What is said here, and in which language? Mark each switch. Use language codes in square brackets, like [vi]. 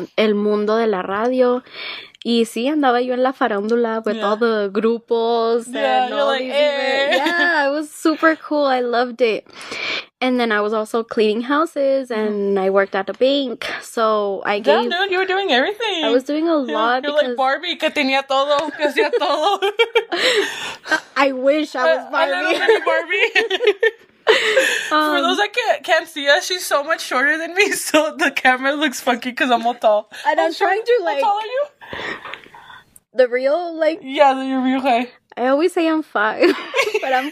[es] el mundo de la radio. Y sí, andaba yo en la farándula [en] with all the [es] grupos. [en] Yeah, and you're all like, these yeah, it was super cool. I loved it. And then I was also cleaning houses, and I worked at a bank. So I gave... Damn, dude, you were doing everything. I was doing a lot. You're because, [es] like Barbie, que tenía todo, que hacía todo. [en] I wish I was Barbie. A little mini Barbie. For those that can't see us, she's so much shorter than me, so the camera looks funky because I'm all tall. And I'm trying to, like... How tall are you? The real, like... Yeah, the real, okay. I always say I'm 5, but I'm 4'11".